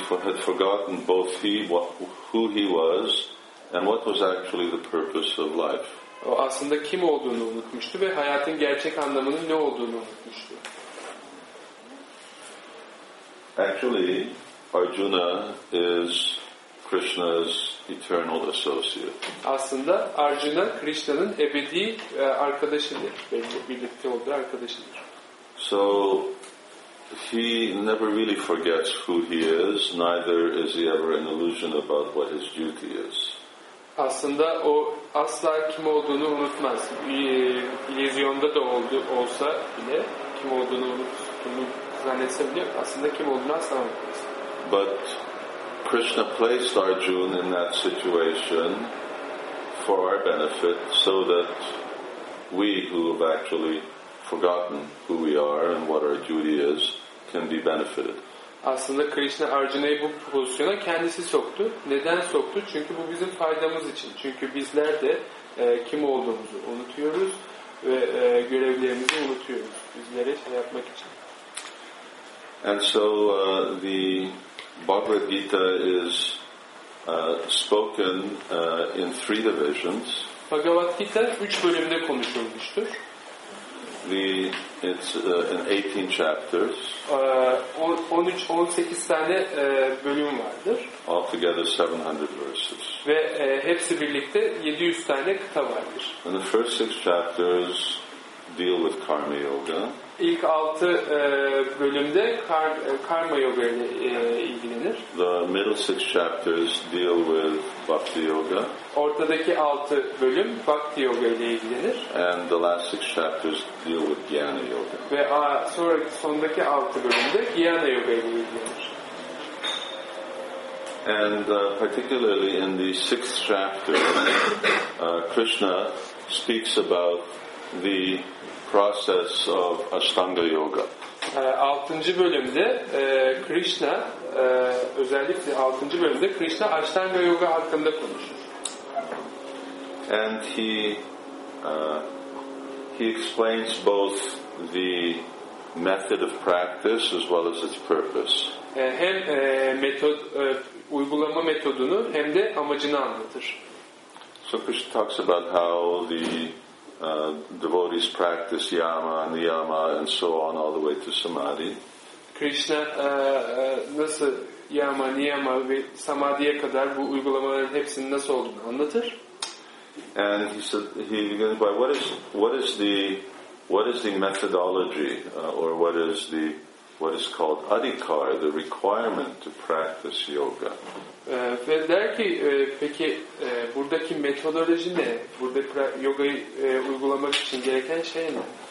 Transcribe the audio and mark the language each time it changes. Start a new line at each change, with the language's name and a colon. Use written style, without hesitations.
English: He had forgotten both who he was and what was actually the purpose of life.
Turkish: O aslında kim olduğunu unutmuştu ve hayatın gerçek anlamının ne olduğunu unutmuştu.
English: Actually, Arjuna is Krishna's eternal associate.
Turkish: Aslında Arjuna Krishna'nın ebedi arkadaşıdır. Birlikte olduğu arkadaşıdır.
English: So he never really forgets who he is, neither is he ever an illusion about what his duty is.
Turkish: Aslında o asla kim olduğunu unutmaz. İllüzyonda da olsa bile kim olduğunu zannetse bile aslında kim olduğunu asla unutmaz.
English: But Krishna placed Arjuna in that situation for our benefit so that we who have actually forgotten who we are and what our duty is can be benefited.
Turkish: Aslında Krishna Arjuna'yı bu pozisyona kendisi soktu. Neden soktu? Çünkü bu bizim faydamız için. Çünkü bizler de kim olduğumuzu unutuyoruz ve görevlerimizi unutuyoruz. Bizlere şey yapmak için.
English: And so the Bhagavad Gita is spoken in three divisions.
Turkish: Bhagavad Gita 3 bölümde konuşulmuştur.
English: It's in 18 chapters.
Turkish: 13-18 tane bölüm vardır.
English: Altogether 700 verses.
Turkish: Ve hepsi birlikte 700 tane kıta vardır.
English: And the first 6 chapters deal with karma yoga.
Turkish: İlk 6 bölümde karma yoga ile ilgilenir.
English: The middle 6 chapters deal with bhakti yoga.
Turkish: Ortadaki 6 bölüm bhakti yoga ile ilgilenir.
English: And the last 6 chapters deal with jnana yoga.
Turkish: Ve sondaki 6 bölümde jnana yoga ile ilgilenir.
English: And particularly in the 6th chapter Krishna speaks about the process of Ashtanga yoga.
Turkish: 6. bölümde Krishna özellikle 6. bölümde Krishna Ashtanga yoga hakkında konuşur.
English: And he he explains both the method of practice as well as its purpose.
Turkish: Hem metod uygulama metodunu hem de amacını anlatır.
English: So Krishna talks about how the devotees practice yama, niyama, and so on all the way to samadhi.
Turkish: Krishna nasıl yama, niyama ve samadhiye kadar bu uygulamaların hepsinin nasıl olduğunu anlatır.
English: And he said, he begins by what is the methodology or what is called adhikar, the requirement to practice yoga.
Turkish: Ve der ki peki buradaki metodoloji ne? Burada yogayı uygulamak için gereken şey ne?